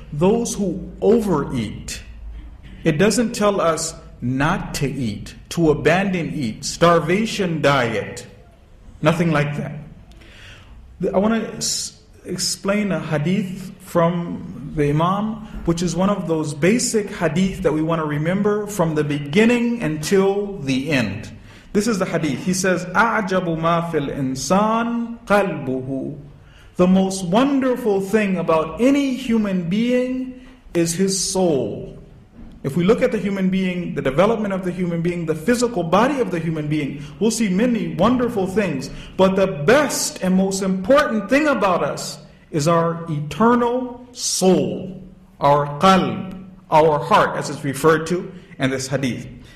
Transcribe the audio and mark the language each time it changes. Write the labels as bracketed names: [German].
[English] Those who overeat. It doesn't tell us not to eat, to abandon eat, starvation diet, nothing like that. I want to explain a hadith from the Imam, which is one of those basic hadith that we want to remember from the beginning until the end. This is the hadith. He says, [Arabic] أَعْجَبُ مَا فِي الْإِنسَانِ قَلْبُهُ. [English] The most wonderful thing about any human being is his soul. If we look at the human being, the development of the human being, the physical body of the human being, we'll see many wonderful things. But the best and most important thing about us is our eternal soul, our qalb, our heart, as it's referred to in this hadith.